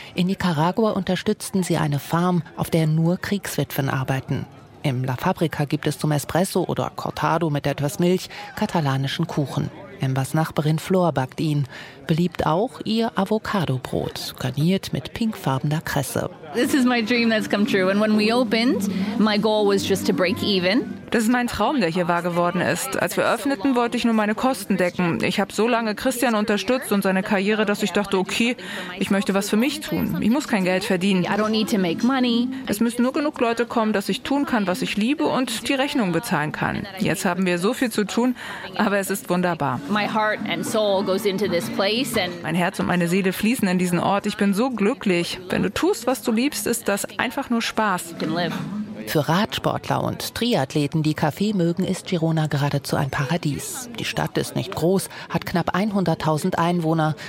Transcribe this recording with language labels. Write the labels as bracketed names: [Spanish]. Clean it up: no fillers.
[German] In Nicaragua unterstützten sie eine Farm, auf der nur Kriegswitwen arbeiten. Im La Fabrica gibt es zum Espresso oder Cortado mit etwas Milch katalanischen Kuchen. Ambers Nachbarin Flor backt ihn. Beliebt auch ihr Avocado-Brot, garniert mit pinkfarbener Kresse. [English] This is my dream that's come true. And when we opened, my goal was just to break even. [German] Das ist mein Traum, der hier wahr geworden ist. Als wir öffneten, wollte ich nur meine Kosten decken. Ich habe so lange Christian unterstützt und seine Karriere, dass ich dachte, okay, ich möchte was für mich tun. Ich muss kein Geld verdienen. [English] I don't need to make money. [German] Es müssen nur genug Leute kommen, dass ich tun kann, was ich liebe und die Rechnung bezahlen kann. Jetzt haben wir so viel zu tun, aber es ist wunderbar. [English] My heart and soul goes into this place. [German] Mein Herz und meine Seele fließen in diesen Ort. Ich bin so glücklich. Wenn du tust, was du liebst, ist das einfach nur Spaß. Für Radsportler und Triathleten, die Kaffee mögen, ist Girona geradezu ein Paradies. Die Stadt ist nicht groß, hat knapp 100.000 Einwohner.